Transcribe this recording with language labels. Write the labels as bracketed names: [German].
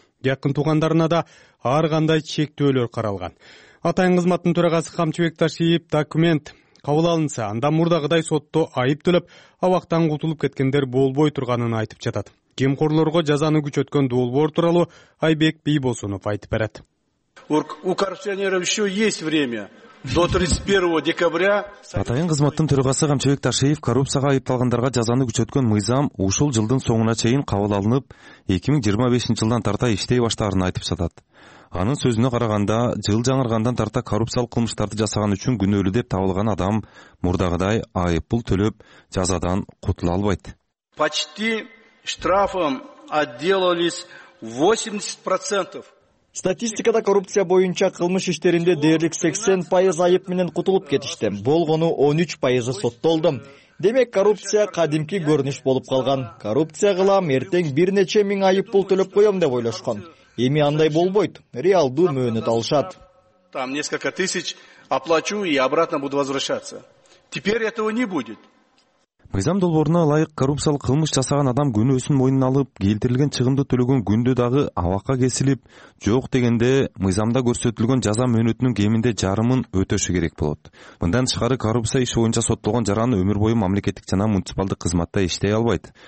[Kyrgyz] Жакын туугандарына да ар кандай чектөөлөр каралган. Атайын кызматтын төрагасы Камчыбек Ташиев документ кабыл алынса, анда мурдагыдай сотто айып төлөп, абактан кутулуп кеткендер болбой турганын айтып жатат. Кемкорлорго жазаны күчөткөн долбоор тууралуу Айбек Бийбосунов айтып берет. [Russian] У коррупционеров еще есть время. До 31 декабря [Kyrgyz] атайын кызматтын төрагасы Камчыбек Ташиев коррупцияга айыпталгандарга жазаны күчөткөн мыйзам ушул жылдын соңуна чейин кабыл алынып, 2025 жылдан тарта иштей баштаарын айтып жатат. Анын сөзүнө караганда, жыл жаңыргандан тарта коррупциялык кылмыштарды жасаган үчүн күнөөлүү деп табылган адам мурдагыдай айыппул төлөп, жазадан кутула албайт. [Russian] Почти штрафом отделались 80%. [Kyrgyz] Статистикада коррупция боюнча кылмыш иштеринде дээрлик 80% айып менен кутулуп кетишти. Болгону 13% соттолду. Демек коррупция кадимки көрүнүш болуп калган. Коррупция кылам, эртең бир нече миң айып пул төлөп коем деп ойлошкон. Эми андай болбойт. Реалдуу мөөнөт алышат. [Russian] Там несколько тысяч оплачу и обратно буду возвращаться. Теперь этого не будет. [Kyrgyz] Мыйзам долбооруна ылайык коррупциялык кылмыш жасаган адам күнөөсүн мойнуна алып, келтирилген чыгымды төлөгөн күндө дагы абакка кесилип, жок дегенде мыйзамда көрсөтүлгөн жаза мөөнөтүнүн кеминде жарымын өтөшү керек болот. Мындан тышкары коррупция иши боюнча соттолгон жараны өмүр бою мамлекеттик жана муниципалдык кызматта иштей албайт.